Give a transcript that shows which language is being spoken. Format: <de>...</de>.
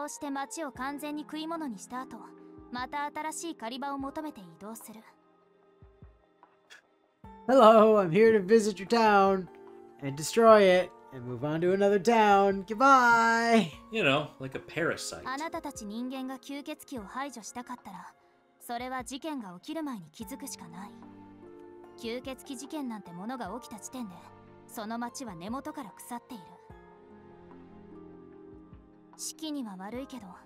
<ja>そうして町を完全に食い物にした後</ja> <en>Hello, I'm here to visit your town and destroy it and move on to another town. Goodbye! You know, like a parasite.</en> <ja>あなたたち人間が吸血鬼を排除したかったら、それは事件が起きる前に気づくしかない。吸血鬼事件なんてものから腐っている。式には悪いけど、</ja>